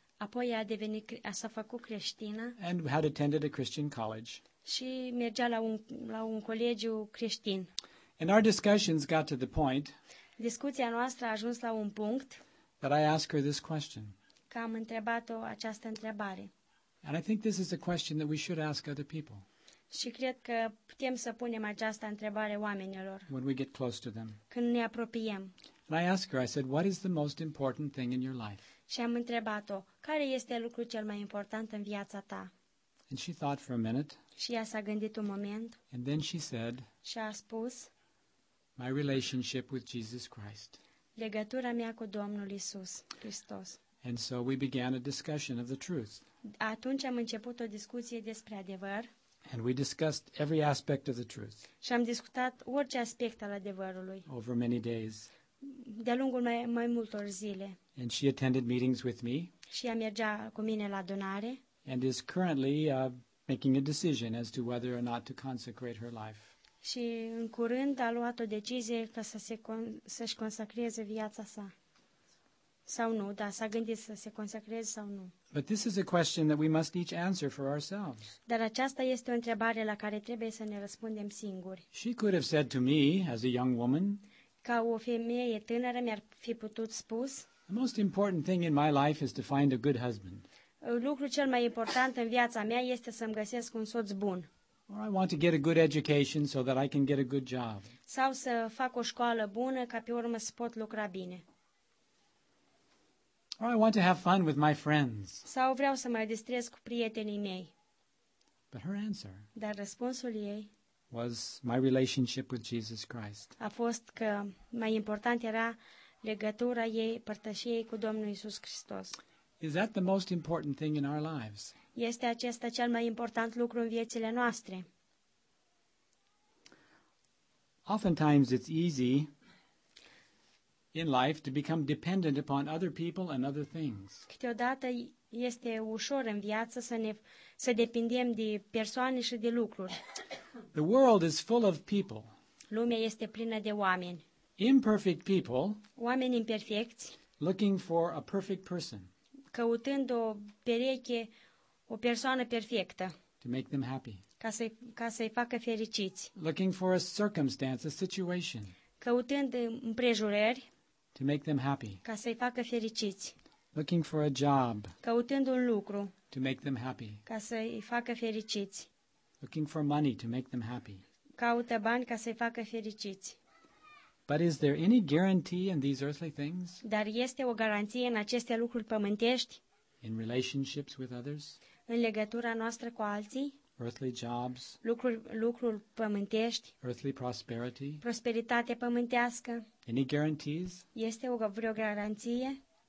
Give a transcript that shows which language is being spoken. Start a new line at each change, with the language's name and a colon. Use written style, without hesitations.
Romanian: Apoi a devenit, s-a făcut creștină.
English: And had attended a Christian college.
Romanian: Și mergea la un colegiu creștin.
English: And our discussions got to the point.
Romanian: Discuția noastră a ajuns la un punct.
English: That I asked her this question.
Romanian: Că am întrebat-o această întrebare.
English: And I think this is a question that we should ask other people.
Romanian: Și cred că putem să punem această întrebare oamenilor.
English: When we get close to them.
Romanian: Când ne apropiem.
English: And I asked her, I said, what is the most important thing in your life?
Romanian: Și am întrebat-o, care este lucrul cel mai important în viața ta?
English: And she thought for a minute.
Romanian: Și ea s-a gândit un moment.
English: And then she said.
Romanian: Și a spus.
English: My relationship with Jesus Christ.
Romanian: Legătura mea cu Domnul Iisus Hristos.
English: And so we began a discussion of the truth.
Romanian: Atunci am început o discuție despre adevăr.
English: And we discussed every aspect of the truth.
Romanian: Și am discutat orice aspect al adevărului.
English: Over many days.
Romanian: De-a lungul mai multor zile.
English: And she attended meetings with me.
Romanian: Și ea mergea cu mine la adunare.
English: And is currently making a decision as to whether or not to consecrate her life.
Romanian: Și în curând a luat o decizie ca să-și consacreze viața sa. Sau nu, da, s-a gândit să se consacreze sau nu.
English: But this is a question that we must each answer for ourselves.
Romanian: Dar aceasta este o întrebare la care trebuie să ne răspundem singuri.
English: She could have said to me as a young woman.
Romanian: Ca o femeie tânără mi-ar fi putut spus.
English: The most important thing in my life is to find a good husband.
Romanian: Lucrul cel mai important în viața mea este să-mi găsesc un soț bun.
English: Or I want to get a good education so that I can get a good job.
Romanian: Sau să fac o școală bună ca pe urmă să pot lucra bine.
English: Or I want to have fun with my friends.
Romanian: Sau vreau să mă distrez cu prietenii mei.
English: But her answer.
Romanian: Dar răspunsul ei.
English: Was my relationship with Jesus Christ.
Romanian: A fost că mai important era legătura ei, părtășiei cu Domnul Iisus Hristos.
English: Is that the most important thing in our lives?
Romanian: Este acesta cel mai important lucru în viețile noastre?
English: Oftentimes it's easy in life to become dependent upon other people and other things.
Romanian: Câteodată este ușor în viață să depindem de persoane și de lucruri.
English: The world is full of people.
Romanian: Lumea este plină de oameni.
English: Imperfect people.
Romanian: Oameni imperfecți.
English: Looking for a perfect person.
Romanian: Căutând o pereche, o persoană perfectă.
English: To make them happy.
Romanian: Ca să-i facă fericiți.
English: Looking for a circumstance, a situation.
Romanian: Căutând împrejurări.
English: To make them happy.
Romanian: Ca să-i facă fericiți.
English: Looking for a job.
Romanian: Căutând un lucru.
English: To make them happy.
Romanian: Ca să îi facă fericiți.
English: Looking for money to make them happy.
Romanian: Caută bani ca să îi facă fericiți.
English: But is there any guarantee in these earthly things?
Romanian: Dar este o garanție în aceste lucruri pământești?
English: In relationships with others?
Romanian: În legătura noastră cu alții?
English: Earthly jobs?
Romanian: Lucruri pământești?
English: Earthly prosperity?
Romanian: Prosperitate pământească?
English: Any guarantees?
Romanian: Este o vreo garanție?